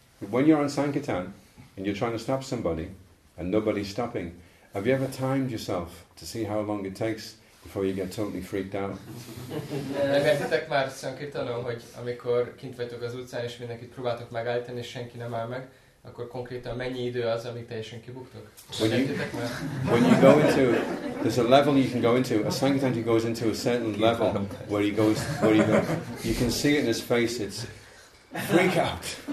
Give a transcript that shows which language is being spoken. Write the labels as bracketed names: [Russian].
[English] When you're on Sankirtan and you're trying to stop somebody and nobody's stopping, have you ever timed yourself to see how long it takes before you get totally freaked out? [Hungarian] Nem értitek már Sankirtanon, hogy amikor kint vagytok az utcán és mindenkit próbáltok megállítani, és senki nem áll meg, akkor konkrétan mennyi idő az, amíg teljesen kibuktok? [English] When you go into, there's a level you can go into. A Sankirtan goes into a certain level where he goes, You can see it in his face. It's freak out.